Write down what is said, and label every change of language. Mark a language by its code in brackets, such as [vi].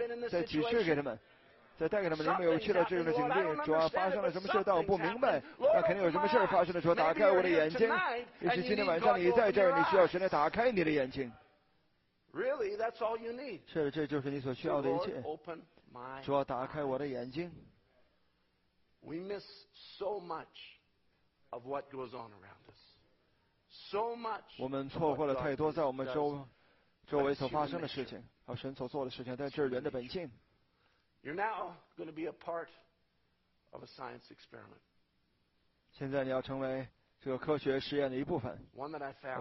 [zh] 在启示给他们，在带给他们，你们有去到这种的境地，主要发生了什么事但我不明白，那肯定有什么事发生的时候，打开我的眼睛，也许今天晚上你在这儿，你需要神来打开你的眼睛。 [en] Really, that's all you need. [zh] 是的，这就是你所需要的一切。主要打开我的眼睛。 [en] We miss so much of what goes on around us. So much. [zh] 我们错过了太多在我们周围所发生的事情，和神所做的事情，但这是人的本性。 [en] You're now going to be a part of a science experiment. [zh] 现在你要成为这个科学实验的一部分。 One that I found.